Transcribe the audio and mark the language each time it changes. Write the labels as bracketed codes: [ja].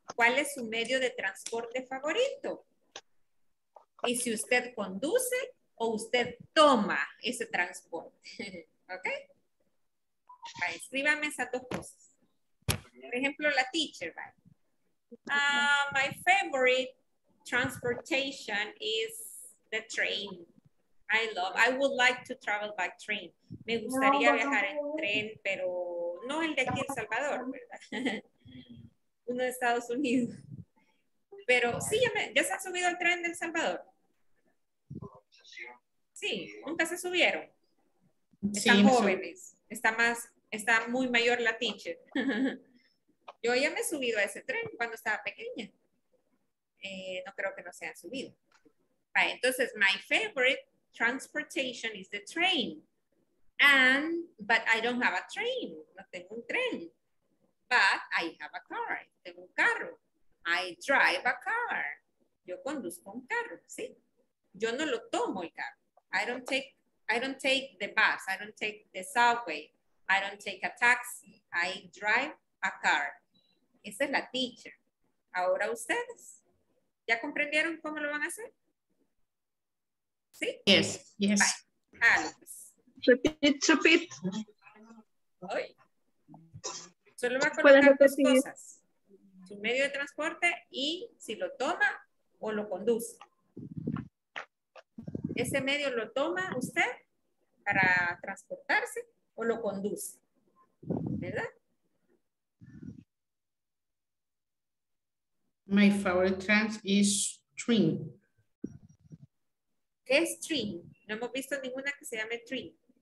[es] ¿Cuál es su medio de transporte favorito? Y si usted conduce o usted toma ese transporte, ¿ok? Vale, escríbame esas dos cosas. Por ejemplo, la teacher, ¿vale? [en] My favorite transportation is the train. I would like to travel by train. [es] Me gustaría viajar en tren, pero no el de aquí en El Salvador, ¿verdad? Uno de Estados Unidos. Pero sí, ya se ha subido el tren de El Salvador. Sí, nunca se subieron. Están sí, jóvenes. Está muy mayor la teacher. Yo ya me he subido a ese tren cuando estaba pequeña. No creo que no se haya subido. Vale, entonces, [en] my favorite transportation is the train. But I don't have a train. [es] No tengo un tren. [en] But I have a car. [es] Tengo un carro. [en] I drive a car. [es] Yo conduzco un carro, ¿sí? Yo no lo tomo el carro. [en] I don't take the bus. I don't take the subway. I don't take a taxi. I drive a car. [es] Esa es la teacher. Ahora ustedes, ¿ya comprendieron cómo lo van a hacer? ¿Sí? [en] Yes, yes. Alex. Repeat. [es] Ay. Solo va a colocar dos cosas. Su medio de transporte y si lo toma o lo conduce. ¿Ese medio lo toma usted para transportarse o lo conduce? ¿Verdad? [en] My favorite trans is train. [es] ¿Qué es train? No hemos visto ninguna que se llame train.